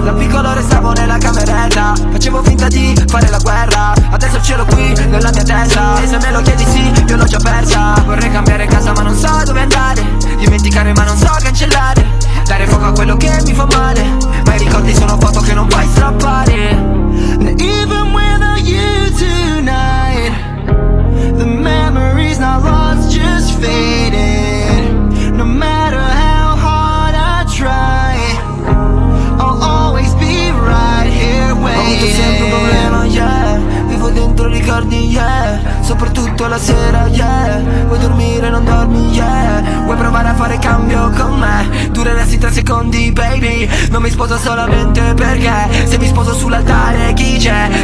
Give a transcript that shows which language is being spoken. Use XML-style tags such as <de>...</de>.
<it>Da piccolo restavo nella cameretta, facevo finta di fare la guerra. Adesso ce l'ho qui, nella mia testa. E se me lo chiedi sì, io l'ho già persa. Vorrei cambiare casa ma non so dove andare. Dimenticare ma non so cancellare. Dare fuoco a quello che mi fa male. Ma i ricordi sono foto che non puoi strappare.</it> <en>And even without you tonight, the memories not lost just faded. No matter how hard I try, I'll always be right here waiting.</en> <it>Ho avuto sempre un problema, yeah. Vivo dentro ricordi, yeah. Soprattutto la sera, yeah. Vuoi dormire, non dormi, yeah. Vuoi provare a fare cambio con me? Dureresti 3 secondi, baby. Non mi sposo solamente perché. Se mi sposo sull'altare, chi c'è?</it>